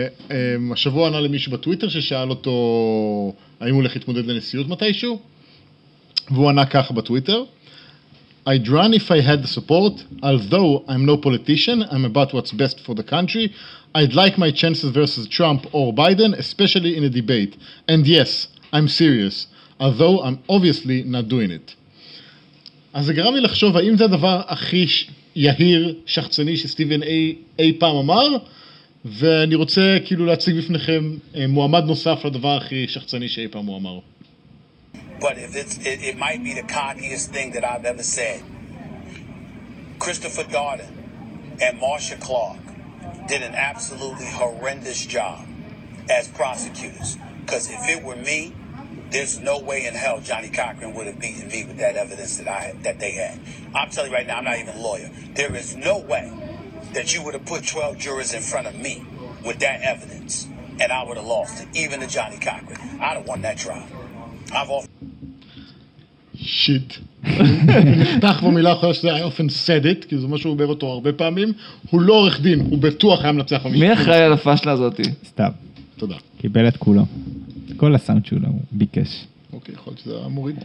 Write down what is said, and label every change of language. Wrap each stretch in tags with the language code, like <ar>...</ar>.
<en>והשבוע ענה למישהו בטוויטר ששאל אותו האם הוא הולך להתמודד לנשיאות מתישהו, והוא ענה כך בטוויטר: I'd run if I had the support, although I'm no politician, I'm about what's best for the country, I'd like my chances versus Trump or Biden, especially in a debate, and yes, I'm serious, although I'm obviously not doing it.</en> <he>אז זה גרם לי לחשוב, האם זה הדבר הכי יהיר, שחצני, שסטיבן אי פעם אמר? ואני רוצה כאילו להציג בפניכם מועמד נוסף לדבר הכי שחצני שאי פעם הוא אמר.</he> <en>But if it might be the cockiest thing that I've ever said. Christopher Darden and Marsha Clark did an absolutely horrendous job as prosecutors. Because if it were me, there's no way in hell Johnny Cochran would have beaten me with that evidence that they had. I'm telling you right now, I'm not even a lawyer. There is no way that you would have put 12 jurors in front of me with that evidence and I would have lost it, even to Johnny Cochran. I'd have won that trial. I've</en> <he>שיט. נחתך במילה אחרי שזה I often said it, כי זה מה שהוא אומר אותו הרבה פעמים. הוא לא עורך דין, הוא בטוח היה מנצח במשפט. מי אחראי על הפשלה הזאת? סתיו. תודה. קיבל את כולו. כל הסאונד שהוא לא ביקש. אוקיי, יכול להיות שזה המוריד.</he>